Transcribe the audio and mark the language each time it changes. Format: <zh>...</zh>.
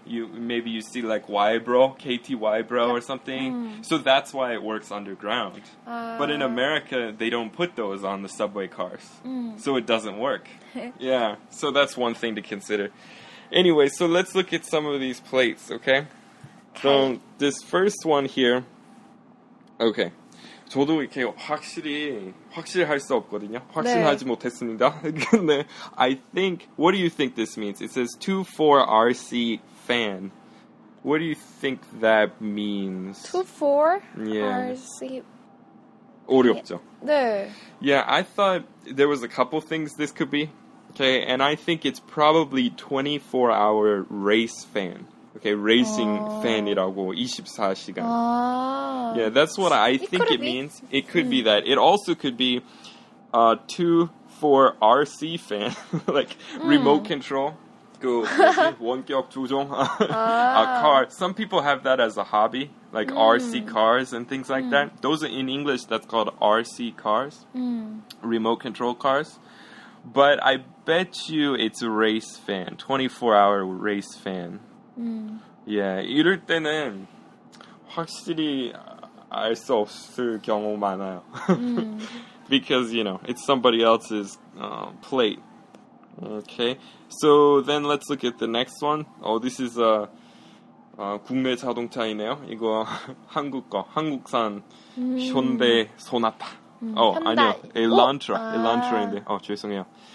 <en>Maybe you see like Y-bro, KT Y-bro or something. So that's why it works underground. But in America, they don't put those on the subway cars. So it doesn't work. Yeah, so that's one thing to consider. Anyway, so let's look at some of these plates, okay? So this first one here, okay.</en> <ko>저도 이렇게 확실히 할 수 없거든요. 확신하지 못했습니다.</ko> <en>근데 I think, what do you think this means? It says 2-4-RC fan. What do you think that means? 2-4? Yeah.</en> <ko>Sleep. 어렵죠. 네.</ko> <en>Yeah, I thought there was a couple things this could be. Okay, and I think it's probably 24-hour race fan.</en> <ko>Okay, racing fan이라고 24시간.</ko> <en>Yeah, that's what I think it means. It could be that. It also could be 2-4 RC fan, like remote control.</en> <ko>그 원격 조종.</ko> <en>A car. Some people have that as a hobby, like RC cars and things like that. Those are in English, that's called RC cars, remote control cars. But I bet you it's a race fan, 24-hour race fan.</en> <ko>Yeah, 이럴 때는 확실히 알 수 없을 경우 많아요.</ko> <en>Because, you know, it's somebody else's plate. Okay, so then let's look at the next one. Oh, this is a</en> <ko>국내 자동차이네요. 이거 한국 거, 한국산 Hyundai Sonata. Oh, 아니요, Elantra, Elantra인데. Oh, 죄송해요.</ko>